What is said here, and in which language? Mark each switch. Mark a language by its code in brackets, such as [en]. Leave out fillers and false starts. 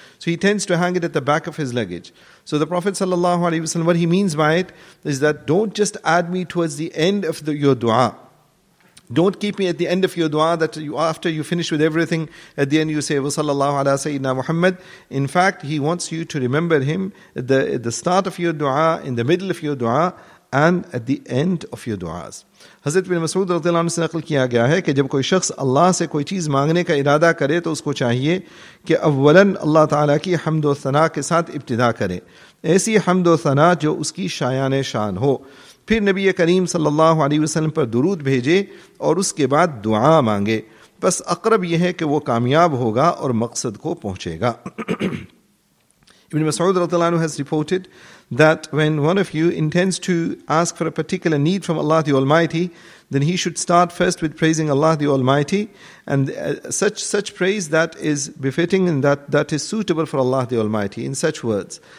[en] So he tends to hang it at the back of his luggage. So the Prophet sallallahu alaihi wasallam, what he means by it is that don't just add me towards the end of your dua. Don't keep me at the end of your dua that you, after you finish with everything, at the end you say, [ar] وَصَلَّى ala Sayyidina Muhammad. [en] In fact, he wants you to remember him at the start of your dua, in the middle of your dua, and at the end of your duas. [ur] حضرت بن مسعود رضی اللہ عنہ سے نقل کیا گیا ہے کہ جب کوئی شخص اللہ سے کوئی چیز مانگنے کا ارادہ کرے تو اس کو چاہیے کہ اولاً اللہ تعالیٰ کی حمد و ثناء کے ساتھ ابتدا کرے. ایسی حمد و ثناء جو اس کی شایان شان ہو. پھر نبی کریم صلی اللہ علیہ وسلم پر درود بھیجے اور اس کے بعد دعا مانگے. بس اقرب یہ ہے کہ وہ کامیاب ہوگا اور مقصد کو پہنچے گا. [en] Ibn Mas'ud radiallahu anhu has reported that when one of you intends to ask for a particular need from Allah the Almighty, then he should start first with praising Allah the Almighty, and such praise that is befitting and that is suitable for Allah the Almighty in such words.